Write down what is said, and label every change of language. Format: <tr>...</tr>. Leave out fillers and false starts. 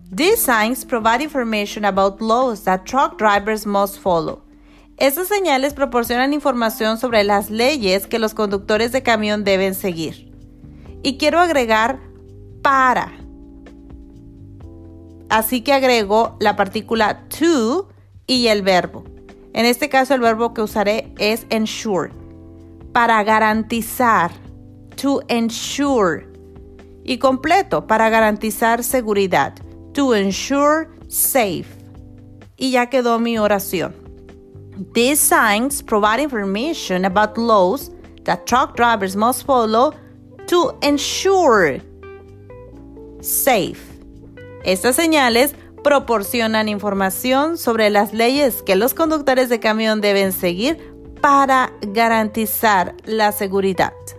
<en>These signs provide information about laws that truck drivers must follow.</en> <es>Estas señales proporcionan información sobre las leyes que los conductores de camión deben seguir. Y quiero agregar para. Así que agrego la partícula to y el verbo. En este caso, el verbo que usaré es ensure. Para garantizar.</es> <en>To ensure.</en> <es>Y completo, para garantizar seguridad.</es> <en>To ensure safe.</en> <es>Y ya quedó mi oración.</es> <en>These signs provide information about laws that truck drivers must follow to ensure safe.</en> <es>Estas señales proporcionan información sobre las leyes que los conductores de camión deben seguir para garantizar la seguridad.</es>